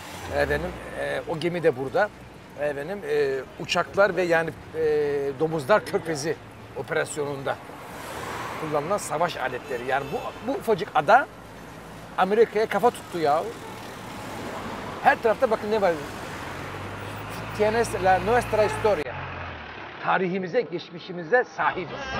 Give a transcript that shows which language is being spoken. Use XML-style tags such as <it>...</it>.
<tr>Efendim, o gemi de burada. Efendim, uçaklar ve yani domuzlar körfezi operasyonunda kullanılan savaş aletleri. Yani bu ufacık ada Amerika'ya kafa tuttu ya. Her tarafta bakın ne var.</tr> <es>Tienes la nuestra historia.</es> <tr>Tarihimize, geçmişimize sahibiz.</tr>